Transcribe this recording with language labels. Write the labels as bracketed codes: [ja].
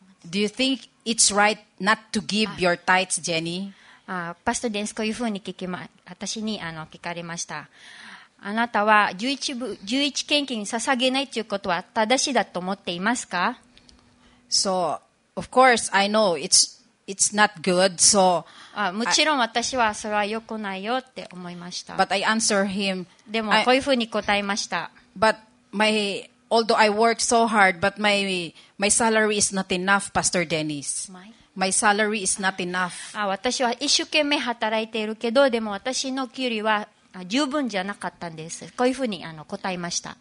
[en] Do you think it's right not to give your tithes, Jenny? [ja] Pastor Dennis, こういうふうに私に聞かれました。あなたは11献金捧げないということは正しいだと思っていますか? [en] So, of course, I know it's not good, so... [ja] もちろん私はそれは良くないよって思いました。 [en] But I answer him, [ja] でもこういうふうに答えました。 [en] But although I work so hard, but my salary is not enough, Pastor Dennis. My salary is not enough. [ja] 私は一生懸命働いているけど、でも私の給料は十分じゃなかったんです。こういうふうに答えました。